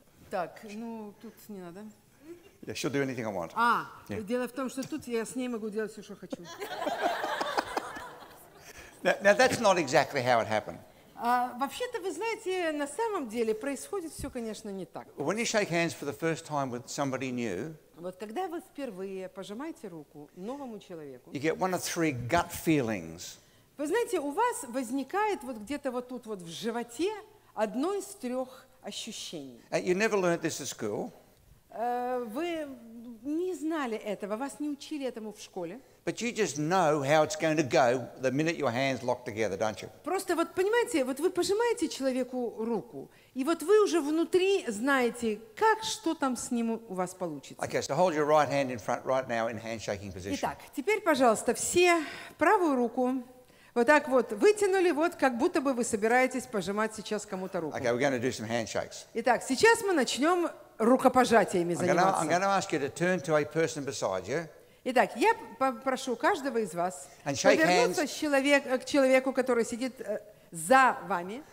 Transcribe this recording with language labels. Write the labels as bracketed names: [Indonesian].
[Russian] Так, ну тут не надо. [English] Yeah, she'll do anything I want. Yeah. [Russian] Дело в том, что тут я с ней могу делать все, что хочу. [English] Now that's not exactly how it happened. [Russian] Вообще-то, вы знаете, на самом деле происходит все, конечно, не так. [English] When you shake hands for the first time with somebody new. [Russian] Вот когда вы впервые пожимаете руку новому человеку. [English] You get one of three gut feelings. [Russian] Вы знаете, у вас возникает вот где-то вот тут вот в животе одно из трех ощущений. [English] You never learned this at school. [Russian] Вы не знали этого, вас не учили этому в школе. [English] But you just know how it's going to go the minute your hands lock together, don't you? [Russian] Просто вот понимаете, вот вы пожимаете человеку руку, и вот вы уже внутри знаете, как что там с ним у вас получится. [English] Okay, so hold your right hand in front right now in handshaking position. [Russian] Итак, теперь, пожалуйста, все правую руку вот так вот вытянули, вот как будто бы вы собираетесь пожимать сейчас кому-то руку. [English] Okay, we're going to do some handshakes. [Russian] Итак, сейчас мы начнем рукопожатиями заниматься. [English] I'm going to ask you to turn to a person beside you. [Russian] Итак, я попрошу каждого из вас повернуться к человеку, который сидит за вами.